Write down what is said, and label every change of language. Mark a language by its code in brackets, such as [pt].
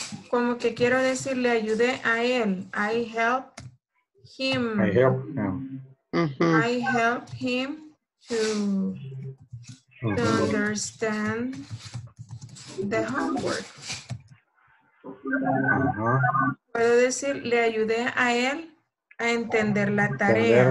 [es] Como que quiero decir, le ayudé a él. [en] I help him. I help him. I help him to, to understand the homework. [es] Puedo decir, le ayudé a él a entender la tarea.